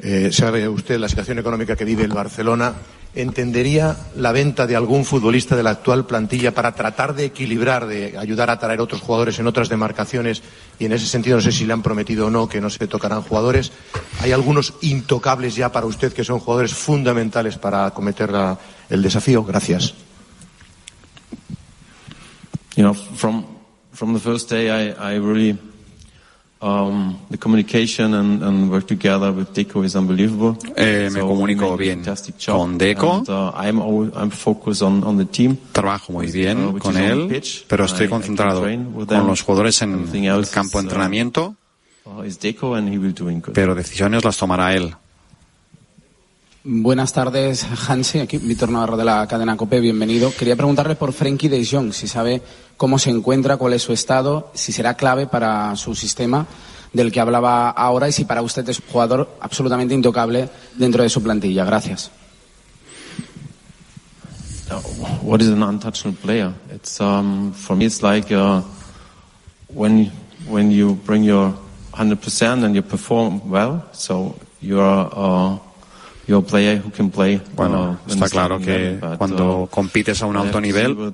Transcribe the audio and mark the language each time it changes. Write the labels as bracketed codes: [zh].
[es] ¿Sabe usted la situación económica que vive el Barcelona? ¿Entendería la venta de algún futbolista de la actual plantilla para tratar de equilibrar, de ayudar a traer otros jugadores en otras demarcaciones? Y en ese sentido, no sé si le han prometido o no que no se tocarán jugadores. ¿Hay algunos intocables ya para usted que son jugadores fundamentales para acometer el desafío? Gracias. [en] From the first day I really the communication and work together with Deco is unbelievable. [es] Me comunico bien con Deco. [en] I'm focused on the team. [es] Trabajo muy bien con él, pero estoy concentrado con los jugadores en el campo de entrenamiento. [en] Is Deco and he will doing good. [es] Pero decisiones las tomará él. Buenas tardes, Hansi. Aquí Víctor Navarro de la cadena COPE. Bienvenido. Quería preguntarle por Frenkie de Jong, si sabe cómo se encuentra, cuál es su estado, si será clave para su sistema del que hablaba ahora y si para usted es un jugador absolutamente intocable dentro de su plantilla. Gracias. [en] What is an untouchable player? It's for me it's like when you bring your 100% and you perform well, so you are your player who can play. [es] Bueno, está claro que cuando compites a un alto nivel,